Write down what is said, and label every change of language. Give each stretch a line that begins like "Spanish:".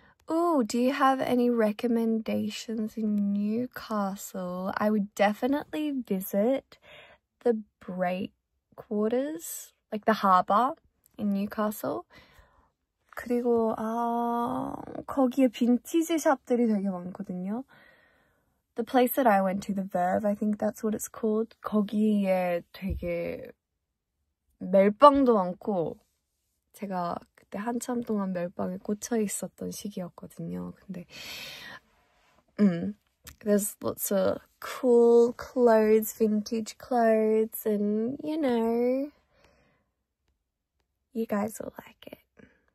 English: Ooh, do you have any recommendations in Newcastle? I would definitely visit the breakwaters, like the harbour in Newcastle.
Korean: 그리고 거기에 빈티지 샵들이 되게 많거든요. The place that I went to, the Verve, I think that's what it's called. 거기에 되게 멜빵도 많고 제가 한참 동안 멜빵에 꽂혀 있었던 시기였거든요. 근데
English: there's lots of cool clothes, vintage clothes, and you know, you guys will like it.